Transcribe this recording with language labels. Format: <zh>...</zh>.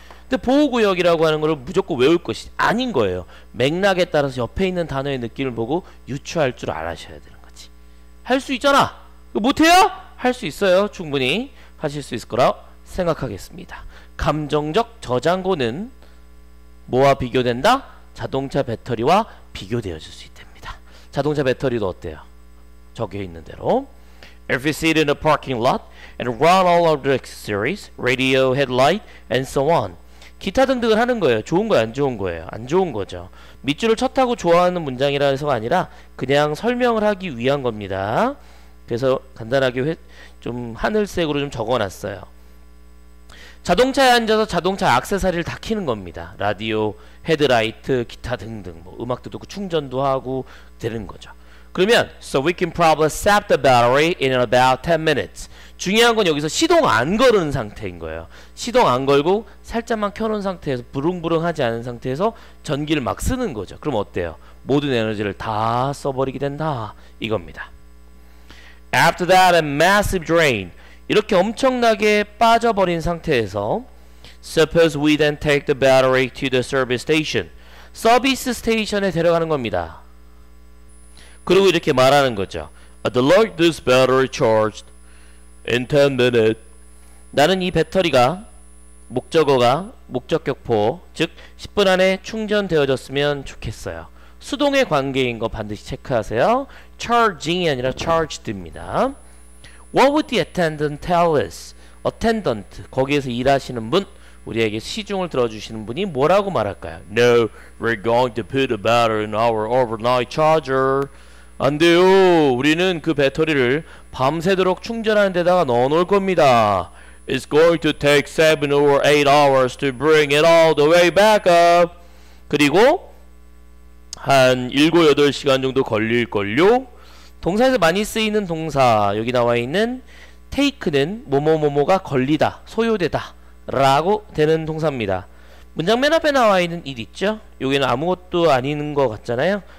<ko>근데 보호구역이라고 하는 걸 무조건 외울 것이 아닌 거예요. 맥락에 따라서 옆에 있는 단어의 느낌을 보고 유추할 줄 알아셔야 되는 거지. 할 수 있잖아. 못해요? 할 수 있어요. 충분히 하실 수 있을 거라 생각하겠습니다. 감정적 저장고는 뭐와 비교된다? 자동차 배터리와 비교되어질 수 있답니다. 자동차 배터리도 어때요? 적혀 있는 대로.</ko> <en>If you sit in a parking lot and run all of the accessories, radio, headlight, and so on.</en> <ko>기타 등등을 하는 거예요. 좋은 거예요? 안 좋은 거예요? 안 좋은 거죠. 밑줄을 쳤다고 좋아하는 문장이라 해서가 아니라 그냥 설명을 하기 위한 겁니다. 그래서 간단하게 좀 하늘색으로 좀 적어놨어요. 자동차에 앉아서 자동차 액세서리를 다 키는 겁니다. 라디오, 헤드라이트, 기타 등등 뭐 음악도 듣고 충전도 하고 되는 거죠. 그러면</ko> <en>So we can probably sap the battery in about 10 minutes.</en> <ko>중요한 건 여기서 시동 안 거는 상태인 거예요. 시동 안 걸고 살짝만 켜놓은 상태에서 부릉부릉하지 않은 상태에서 전기를 막 쓰는 거죠. 그럼 어때요? 모든 에너지를 다 써버리게 된다 이겁니다.</ko> <en>After that, a massive drain.</en> <ko>이렇게 엄청나게 빠져버린 상태에서</ko> <en>Suppose we then take the battery to the service station.</en> <ko>서비스 스테이션에 데려가는 겁니다. 그리고 이렇게 말하는 거죠.</ko> <en>I'd like this battery charged in 10 minutes.</en> <ko>나는 이 배터리가 목적어가 목적격포 즉 10분 안에 충전되어졌으면 좋겠어요. 수동의 관계인 거 반드시 체크하세요.</ko> <en>Charging이 아니라 charged입니다. What would the attendant tell us?</en> <ko>Attendant, 거기에서 일하시는 분, 우리에게 시중을 들어주시는 분이 뭐라고 말할까요?</ko> <en>No, we're going to put a battery in our overnight charger.</en> <ko>안 돼요. 우리는 그 배터리를 밤새도록 충전하는 데다가 넣어놓을 겁니다.</ko> <en>It's going to take 7 or 8 hours to bring it all the way back up.</en> <ko>그리고 한 7, 8시간 정도 걸릴걸요? 동사에서 많이 쓰이는 동사 여기 나와 있는 take는 뭐뭐뭐뭐가 걸리다 소요되다 라고 되는 동사입니다. 문장 맨 앞에 나와 있는 it 있죠? 여기는 아무것도 아닌 것 같잖아요.</ko>